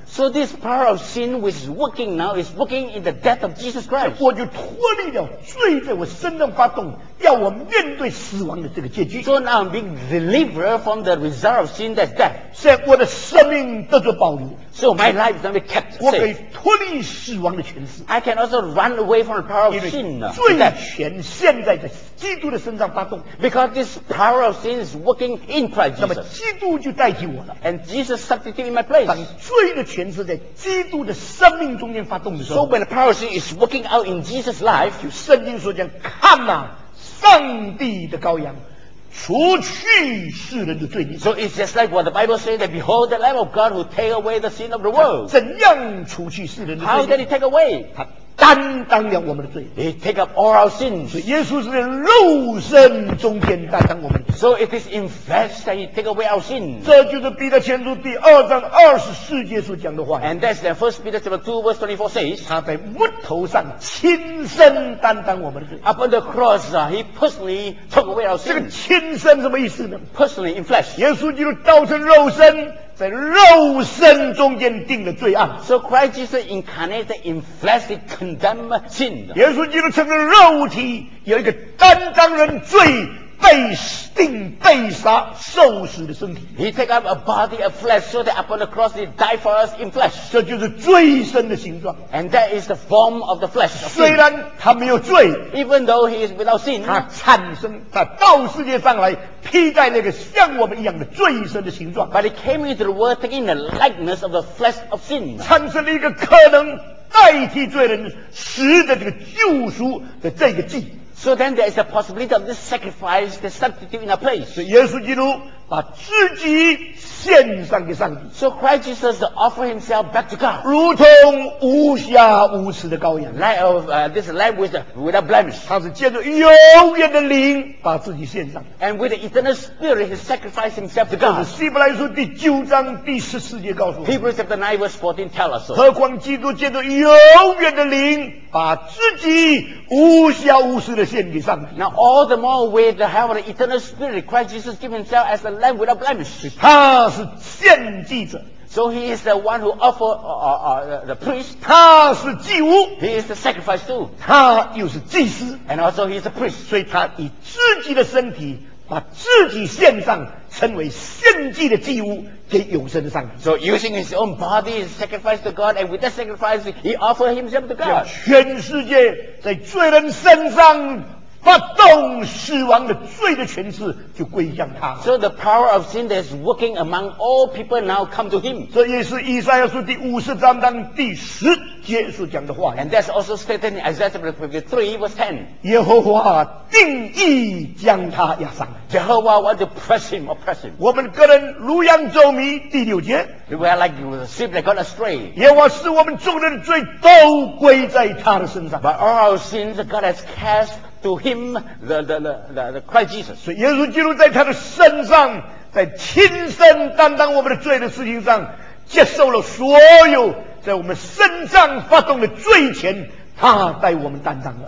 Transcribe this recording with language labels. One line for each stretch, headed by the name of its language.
English: So this power of sin which is working now is working in the death of Jesus Christ.
Chinese: 我就脱离了罪在我身上发动，要我面对死亡的这个结局。
English: So now I'm being delivered from the result of sin that's death.
Chinese: 现在我的生命得着保留。
English: So my life is going to be kept safe.
Chinese: 我可以脱离死亡的权势。
English: I can also run away from the power of sin.
Chinese: 罪权现在在基督的身上发动。
English: Because this power of sin is working in Christ Jesus.
Chinese: 那么基督就代替我了。
English: And Jesus substitute in my place.
Chinese: 当罪的权势在基督的生命中间发动的时候，
English: So when the power of sin is working out in Jesus' life,
Chinese: 就圣经说这样，看啊，上帝的羔羊，除去世人的罪孽。
English: So it's just like what the Bible says, that behold the Lamb of God who take away the sin of the world.
Chinese: 怎样除去世人的罪孽？
English: How did he take away?
Chinese: 他担当了我们的罪。
English: He take up all our sins.
Chinese: 所以耶稣是在肉身中间担当我们的罪。
English: So it is in flesh that he take away our sins.
Chinese: 这就是彼得前书第二章二十四节所讲的话。
English: And that's the first Peter chapter 2 verse 24 says,
Chinese: 他在木头上亲身担当我们的罪。
English: Upon the cross, he personally took away our sins.
Chinese: 这个亲身什么意思呢？
English: Personally in flesh.
Chinese: 耶稣基督道成肉身，在肉身中间定了罪案。
English: So Christ Jesus incarnated in flesh, he condemned sin.
Chinese: 耶稣基督成了肉体，有一个担当人罪被钉被杀受死的身体。
English: He took up a body of flesh so that upon the cross he died for us in flesh.
Chinese: 这就是罪身的形状。
English: And that is the form of the flesh.
Chinese: 虽然他没有罪
English: ，even though he is without sin，
Chinese: 他产生他到世界上来披在那个像我们一样的罪身的形状。
English: But he came into the world taking the likeness of the flesh of sin，
Chinese: 产生了一个可能代替罪人死的这个救赎的这个祭。
English: So then there is a possibility of this sacrifice, the substitute in our place.
Chinese: So, 耶稣基督把自己献上给上帝。
English: So Christ Jesus offered himself back to God.
Chinese: 如同无瑕无疵的羔羊。
English: Like of, this lamb without blemish.
Chinese: 他是借着永远的灵把自己献上。
English: And with the eternal spirit, he sacrificed himself to God.
Chinese: 这是希伯来书第九章第十四节告诉我们。
English: Hebrews chapter 9 verse 14 tell us.
Chinese: 何况基督借着永远的灵把自己无瑕无疵的献给上帝。
English: Now all the more with the help of the eternal spirit, Christ Jesus gave himself as a lamb without blemish.
Chinese: 他是献祭者。
English: So he is the one who offered the priest.
Chinese: 他是祭物。
English: He is the sacrifice too.
Chinese: 他又是祭司。
English: And also he is a priest.
Chinese: 所以他以自己的身体把自己献上，成为献祭的祭物给永生的上帝。
English: So using his own body as sacrifice to God, and with that sacrifice, he offered himself to God.
Chinese: 全世界在罪人身上发动死亡的罪的权势就归向他。
English: So the power of sin that is working among all people now come to him.
Chinese: 这也是以赛亚书第五十章当第十节所讲的话。
English: And that's also stated in Isaiah chapter 53 verse 10.
Chinese: 耶和华定义将他压伤。
English: Jehovah wants to press him, oppress him.
Chinese: 我们个人如羊走迷，第六节。
English: We are like the sheep that gone astray.
Chinese: 耶和华使我们众人的罪都归在他的身上。
English: But all our sins God has cast. To him, the Christ Jesus.
Chinese: 所以耶稣基督在他的身上，在亲身担当我们的罪的事情上，接受了所有在我们身上发动的罪权，他带我们担当了。